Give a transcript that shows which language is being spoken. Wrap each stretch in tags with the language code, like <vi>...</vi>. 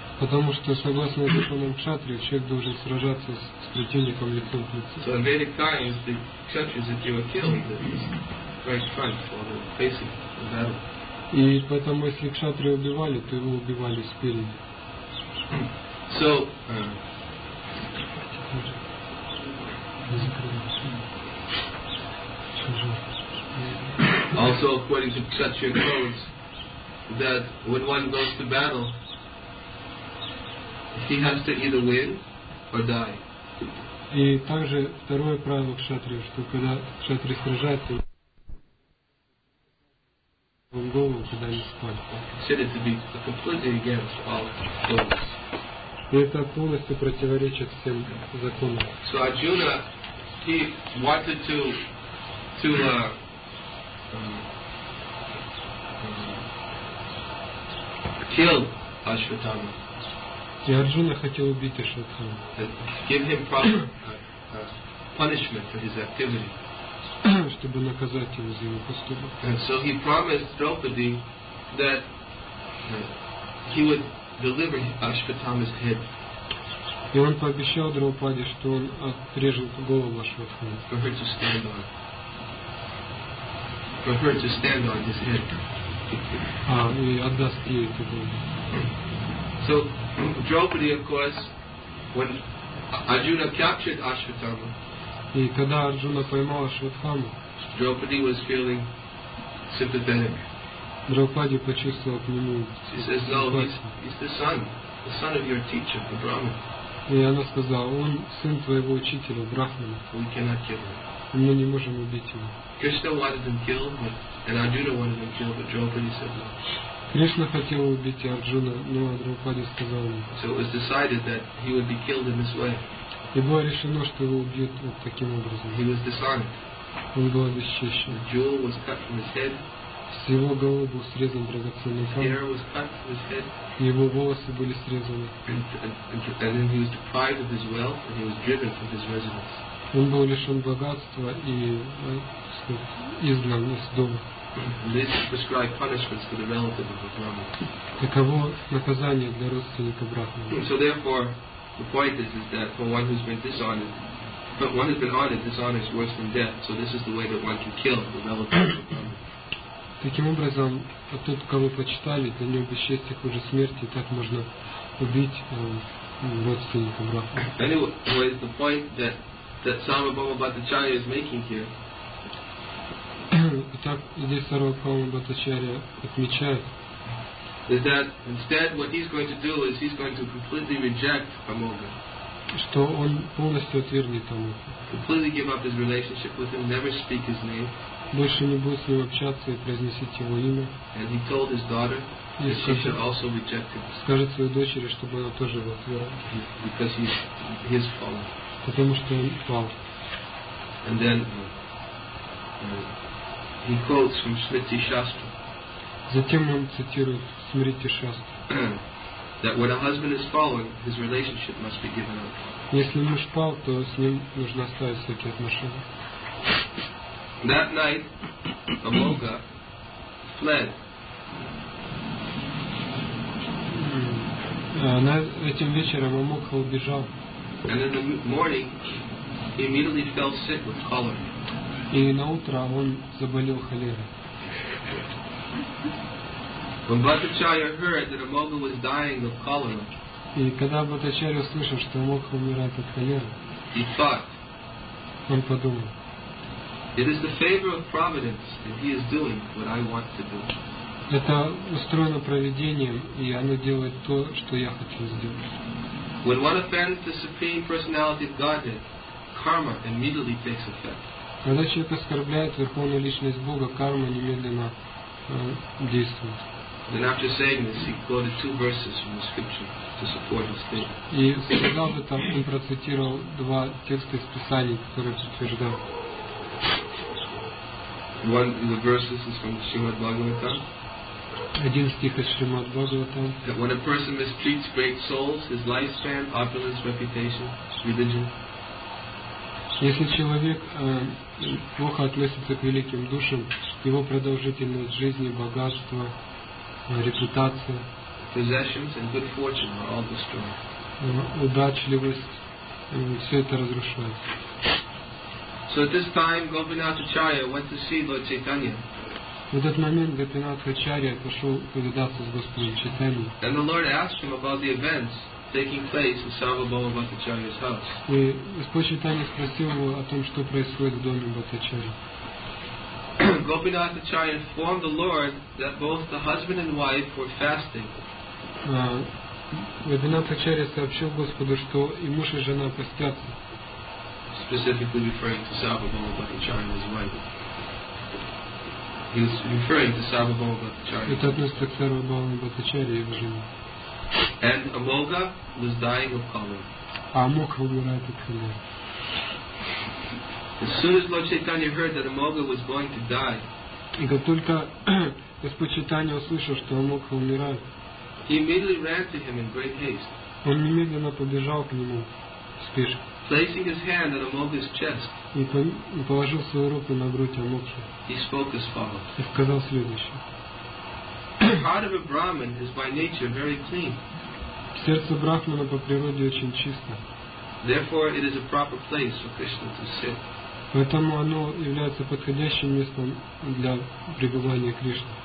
<ru>Потому что согласно законам кшатри, человек должен сражаться с противником лицом к лицу.</ru> <en>So in Vedic times, the kshatriyas that you were killing, right front while facing the battle.</en> <ru>И поэтому, если кшатри убивали, то его убивали спереди.</ru> <en>So, also according to kshatriya codes, that when one goes to battle, he has to either win or die.</en> <ru>И также второе правило кшатри, что когда кшатри сражается, он голову, когда не спать. И это полностью противоречит всем законам.</ru> <en>So Arjuna, he wanted to kill Ashwatthama.</en> <ru>И Арджуна хотел убить Ашватхаму.</ru> <en>Give him proper punishment for his activity.</en> <ru>Чтобы наказать его за его поступок.</ru> <en>And so he promised Draupadi that he would deliver Ashwatthama's head.</en> <ru>И он пообещал Драупаде, что он отрежет голову Ашватхаме.</ru> <en>For her to stand on. For her to stand on his head.</en> <ru>А, и отдаст ей эту голову.</ru> <en>So Draupadi, of course, when Arjuna captured Ashwatthama,</en> <ru>и когда Арджуна поймал Ашватхаму,</ru> <en>Draupadi was feeling sympathetic.</en> <ru>Драупади почувствовал к нему.</ru> <en>She says, "No, he's the son of your teacher, the Brahmin."</en> <ru>И она сказала, он сын твоего учителя, брахмана.</ru> <en>We cannot kill him.</en> <ru>Мы не можем убить его.</ru> <en>Krishna wanted him killed, and Arjuna wanted him killed, but Draupadi said no.</en> <ru>Кришна хотел убить Арджуна, но Драупади сказал ему.</ru> <en>So it was decided that he would be killed in this way.</en> <ru>И было решено, что его убьют вот таким образом.</ru> <en>He was disarmed.</en> <ru>Он был обесчищен.</ru> <en>The jewel was cut from his head.</en> <ru>С его головы был срезан драгоценный камень.</ru> <en>His hair was cut from his head.</en> <ru>Его волосы были срезаны.</ru> <en>And then he was deprived of his wealth and he was driven from his residence.</en> <ru>Он был лишен богатства и изгнан из дома.</ru> <en>This prescribed punishments for the relative of the Brahmin.</en> <ru>Таково наказание для родственника брахмана.</ru> <en>So therefore, the point is that for one who's been dishonored, but one has been honored, dishonor is worse than death. So this is the way that one can kill the relative of the Brahmin.</en> <ru>Таким образом, вот тот, кого почитали, для него бесчестие хуже смерти, и так можно убить родственника брата.</ru> <en>Anyway, the point that Sarvabhauma Bhattacharya is making here,</en> <ru>так, здесь Сарвабхаума Бхаттачарья отмечает,</ru> <en>is that instead what he's going to do is he's going to completely reject Amoga.</en> <ru>Что он полностью отвергнет ему.</ru> <en>Completely give up his relationship with him, never speak his name.</en> <ru>Больше не будет с ним общаться и произносить его имя.</ru> <en>And he told his daughter that she should also reject him.</en> <ru>Скажет своей дочери, чтобы она тоже его отвергла.</ru> <en>Because he's fallen.</en> <ru>Потому что он пал.</ru> <en>And then he quotes from Smriti Shastra.</en> <ru>Затем он цитирует Смрити Шастру.</ru> <en>That when a husband is fallen, his relationship must be given up.</en> <ru>Если муж пал, то с ним нужно оставить всякие отношения.</ru> <en>That night, Amoga fled.</en> <ru>На этим вечером Амока убежал.</ru> <en>And in the morning, he immediately fell sick with cholera.</en> <ru>И на утро он заболел холерой.</ru> <en>When Bhattacharya heard that Amoga was dying of cholera,</en> <ru>и когда Бхаттачарья услышал, что Амока умирает от холеры,</ru> <en>he thought,</en> <ru>он подумал,</ru> <en>it is the favor of providence that he is doing what I want to do.</en> <ru>Это устроено провидением, и оно делает то, что я хочу сделать.</ru> <en>When one offends the supreme personality of Godhead, karma immediately takes effect.</en> <ru>Когда человек оскорбляет верховную личность Бога, карма немедленно действует.</ru> <en>Then after saying this, he quoted two verses from the scripture to support his statement.</en> <ru>И сказав это, он процитировал два текста из Писаний, которые подтверждал.</ru> <en>One of the verses is from Srimad Bhagavatam.</en> <ru>Один стих из Шримад Бхагаватам.</ru> <en>That when a person mistreats great souls, his lifespan, opulence, reputation, religion.</en> <ru>Если человек плохо относится к великим душам, его продолжительность жизни, богатство, репутация,</ru> <en>possessions and good fortune are all destroyed.</en> <ru>Удачливость, все это разрушается.</ru> <en>So at this time, Gopinath Acharya went to see Lord Chaitanya.</en> <ru>В этот момент Гопинат Ачарья пошел повидаться с Господом Чайтаньей.</ru> <en>And the Lord asked him about the events taking place in Sarvabhauma Bhattacharya's house.</en> <ru>И Господь Чайтанья спросил его о том, что происходит в доме Бхаттачарьи.</ru> <en>Gopinath Acharya informed the Lord that both the husband and wife were fasting.</en> <ru>Гопинат Ачарья сообщил Господу, что и муж, и жена постятся.</ru> <en>Specifically referring to Sarvabhauma Bhattacharya's wife. He was referring to Sarvabhauma Bhattacharya.</en> <ru>Это относится к Сарвабхауме Бхаттачарье, его жене.</ru> <en>And Amoga was dying of cholera.</en> <ru>Амока умирает от холеры.</ru> <en>As soon as Lord Chaitanya heard that Amoga was going to die,</en> <ru>и как только Господь Чайтанья услышал, что Амока умирает,</ru> <en>he immediately ran to him in great haste.</en> <ru>Он немедленно побежал к нему в спешке.</ru> <en>Placing his hand on Amoga's chest,</en> <ru>и положил свою руку на грудь Амоки,</ru> <en>he spoke as follows.</en> <ru>И сказал следующее.</ru> <en>The heart of a Brahmin is by nature very clean.</en> <ru>Сердце Брахмана по природе очень чисто.</ru> <en>Therefore, it is a proper place for Krishna to sit.</en> <ru>Поэтому оно является подходящим местом для пребывания Кришны.</ru>